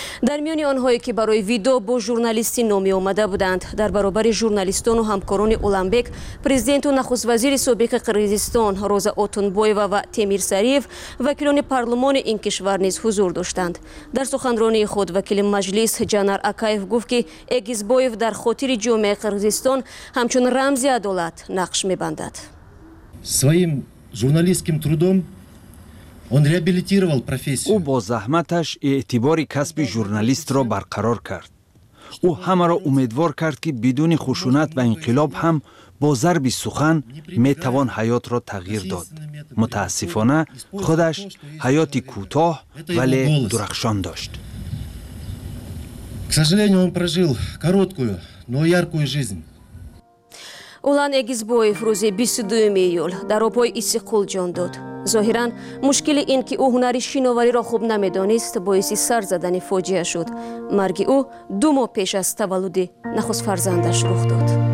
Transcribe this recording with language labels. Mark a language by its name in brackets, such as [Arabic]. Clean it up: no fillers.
[Tajik] дар миёни онҳое, ки барои видо бо журналисти номи омада буданд, дар баробари журналистону ҳамкорони Уланбек, президенту нахуствазири собиқи Қирғизистон Роза Отунбоева ва Темир Сариев, вакилони парлумони ин кишвар низ ҳузур доштанд. дар суханрони худ вакили маҷлис Жанар Акаев гуфт, ки Эгизбоев дар хотири ҷомеаи Қирғизистон ҳамчун рамзи адолат нақш мебандад. [Russian] своим журналистским трудом он реабилитировал профессию. [Tajik] ӯ бо заҳматаш эътибори касби журналистро барқарор кард. ӯ ҳамаро умедвор кард, ки бидуни хушунат ва инқилоб ҳам бо зарби сухан метавон ҳаётро тағйир дод. [Persian] متاسفانه خودش حیاتی کوتاه ولی درخشان داشت. [Russian] к сожалению, он прожил короткую, но яркую жизнь. [Tajik] Улан Эгизбоев рӯзи 22 июл дар обҳои Иссиқкул ҷон дод. Зоҳиран мушкили ин, ки ӯ ҳунари шиноварӣро хуб намедонист, боиси сар задани фоҷиа шуд. марги ӯ ду моҳ пеш аз таваллуди нахуст фарзандаш рух дод.